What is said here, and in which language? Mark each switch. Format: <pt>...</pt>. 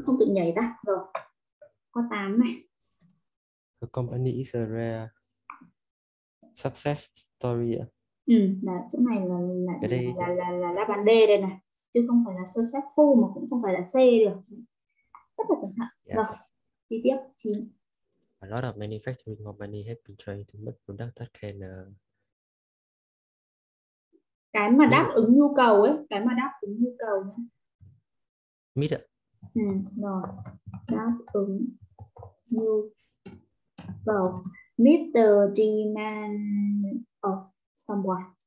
<vi>không tự nhảy ra rồi. Có 8 này.</vi> <en>The company is a rare success story.</en> <vi>Ừ, là chỗ này Cái đây phải... là đáp án D đây này, chứ không phải là successful mà cũng không phải là C được. Rất là cẩn thận. Rồi,</vi> <en>Yes.</en> <vi>đi tiếp 9.</vi> <en>A lot of manufacturing company have been trying to make products that can</en> <vi>Cái mà đáp</vi> <en>meet.</en> <vi>ứng nhu cầu ấy, cái mà đáp ứng nhu cầu nhé.</vi> <en>Meet ạ.</en> <vi>Ừ, rồi, đáp ứng nhu cầu.</vi> <en>Meet the demand of someone.</en>